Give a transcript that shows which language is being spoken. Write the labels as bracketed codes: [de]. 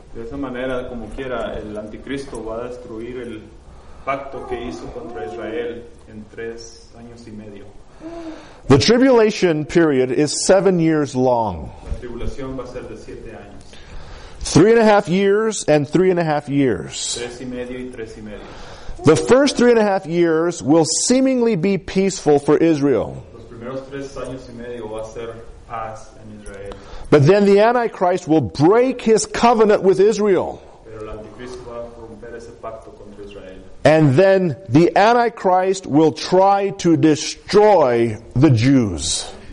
[es] De esa manera, como quiera, el anticristo va a destruir el pacto que hizo contra Israel en 3 años y medio. [en] The tribulation period is 7 years long. [es] La tribulación va a ser de 7 años. [en] 3.5 years and 3.5 years. [es] Tres y medio y tres y medio. [en] The first 3.5 years will seemingly be peaceful for Israel. [es] Los primeros 3 años y medio va a ser paz en Israel. [en] But then the Antichrist will break his covenant with Israel. [es] Pero el anticristo va a romper ese pacto contra Israel. [en] And then the Antichrist will try to destroy the Jews.